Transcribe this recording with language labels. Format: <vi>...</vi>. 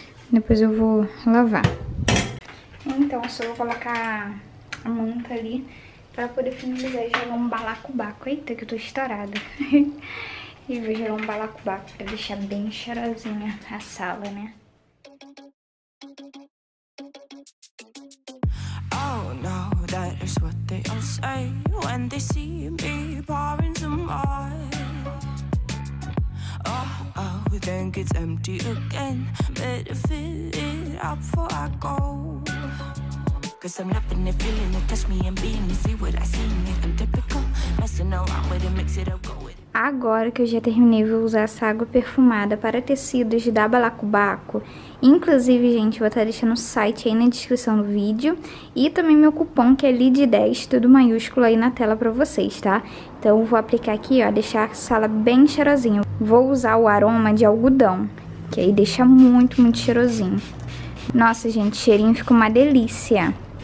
<pt>Depois eu vou lavar. Então, só vou colocar a manta ali pra poder finalizar e jogar um balacobaco. Eita, que eu tô estourada. E vou jogar um balacobaco pra deixar bem cheirosinha a sala, né?</pt> <en>Oh, no, that is what they all say when they see me pouring some more. Oh, oh, think it's empty again. Better fill it up before I go. Cause I'm loving it, feeling it, touch me and being it. See what I see in it, I'm typical. Messing around with it, mix it up, go with it.</en> <pt>Agora que eu já terminei, vou usar essa água perfumada para tecidos da Balacobaco. Inclusive, gente, vou estar deixando o site aí na descrição do vídeo. E também meu cupom, que é LID10, tudo maiúsculo aí na tela pra vocês, tá? Então vou aplicar aqui, ó, deixar a sala bem cheirosinha. Vou usar o aroma de algodão, que aí deixa muito, muito cheirosinho. Nossa, gente, cheirinho fica uma delícia.</pt>